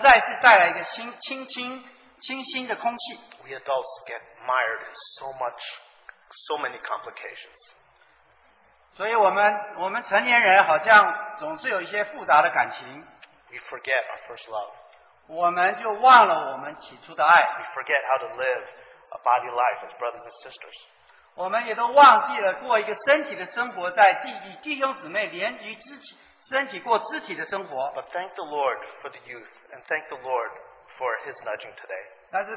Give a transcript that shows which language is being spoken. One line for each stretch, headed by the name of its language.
Chinese: 所以今天我们听到年轻人交通，实在是带来一个清新的空气。
English: We adults get mired in so many complications.
Chinese: 所以我们成年人好像总是有一些复杂的感情。
English: We forget our first love.
Chinese: 我们就忘了我们起初的爱。
English: We forget how to live a body life as brothers and sisters.
Chinese: 我们也都忘记了过一个身体的生活，在弟兄姊妹连于肢体。
English: But thank the Lord for the youth and thank the Lord for his nudging today.